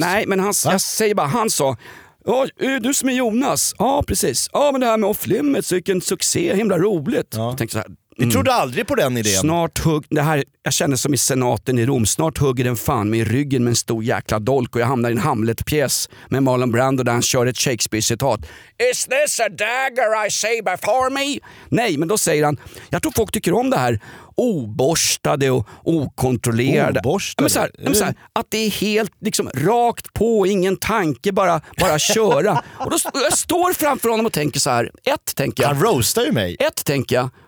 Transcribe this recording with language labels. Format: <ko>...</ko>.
<sv>Nej, men han sa... Ja, du som är Jonas. Ja, precis. Ja, men det här med Off-Limits, vilken succé, himla roligt. Ja. Jag tänkte så här... Vi trodde aldrig på den idén. Jag känner som i senaten i Rom. Snart hugger den fan mig i ryggen med en stor jäkla dolk och jag hamnar i en Hamlet-pjäs med Marlon Brando där han kör ett Shakespeare-citat.</sv> <en>Is this a dagger I see before me?</en> <sv>Nej, men då säger han, jag tror folk tycker om det här oborstade och okontrollerade. Oborstade? Men så här, att det är helt liksom rakt på, ingen tanke, bara köra. Och då jag står framför honom och tänker så här. Ett, tänker jag.</sv>